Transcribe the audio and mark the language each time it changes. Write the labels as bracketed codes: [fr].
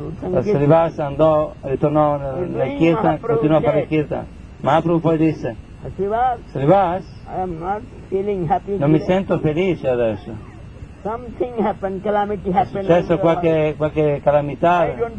[it] La Srivas andò, ritornò nel Kirtan, continuò a fare il Kirtan. Mahaprabhu poi disse, Srivas, non mi sento felice adesso. [en] Something happened, calamity happened. [it] È successo qualche calamità.